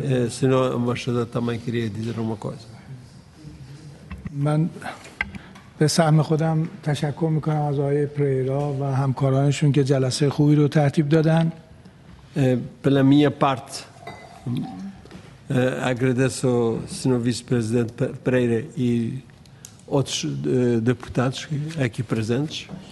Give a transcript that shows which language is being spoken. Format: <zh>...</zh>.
<pt>Senhor embaixador, também queria dizer uma coisa.</pt> <fa>من به سهم خودم تشکر میکنم از آقای پریرا و همکارانشون که جلسه خوبی رو ترتیب دادن.</fa> <pt>Pela minha parte agradeço ao senhor vice-presidente Pereira e outros deputados aqui presentes.</pt>